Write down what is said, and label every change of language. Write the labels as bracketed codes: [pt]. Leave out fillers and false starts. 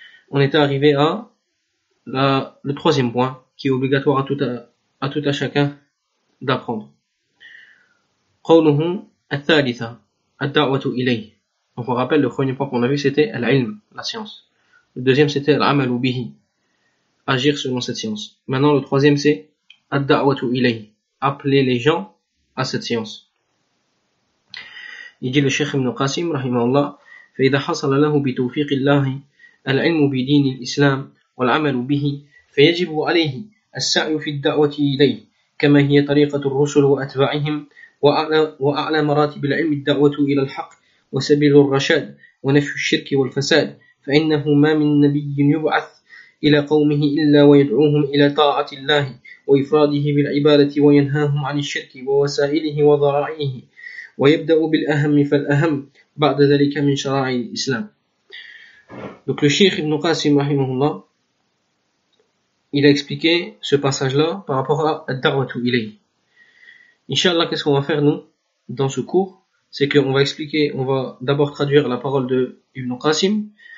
[fr] on était arrivé à le troisième point qui est obligatoire à chacun d'apprendre قوله الثالثة الدعوة إليه. Donc on rappelle le premier point qu'on a vu c'était العلم, la science. Le deuxième c'était العمل به, agir selon cette science. Maintenant le troisième c'est الدعوة إليه, appeler les gens à cette science. [ar] Il dit le Cheikh Ibn Qasim rahimahullah فإذا حصل له بتوفيق الله العلم بدين الإسلام والعمل به فيجب عليه السعي في الدعوة إليه كما هي طريقة الرسل وأتباعهم وأعلى مراتب العلم الدعوة إلى الحق وسبيل الرشاد ونفي الشرك والفساد فإنه ما من نبي يبعث إلى قومه إلا ويدعوهم إلى طاعة الله وإفراده بالعبادة وينهاهم عن الشرك ووسائله وضرائعه ويبدأ بالأهم فالأهم بعد ذلك من شرائع الإسلام. [fr] Donc le Cheikh Ibn Qasim رحمه الله il a expliqué ce passage là par rapport à الدعوة إليه. Inch'Allah, qu'est-ce qu'on va faire, nous, dans ce cours? C'est qu'on va expliquer, on va d'abord traduire la parole de Ibn Qasim.